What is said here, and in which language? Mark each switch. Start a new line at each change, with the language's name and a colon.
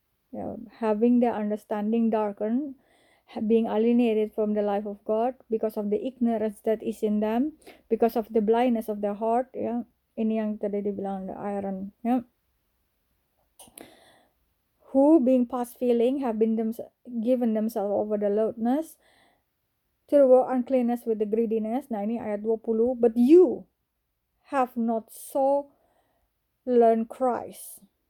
English: Yeah, having the understanding darkened, being alienated from the life of God because of the ignorance that is in them, because of the blindness of their heart.
Indonesian: Yeah, ini yang tadi dibilang
English: the iron. Yeah, who being past feeling have been given themselves over the lewdness to the world uncleanness with the greediness.
Indonesian: Nah, ini ayat 20.
English: But you have not so learned Christ.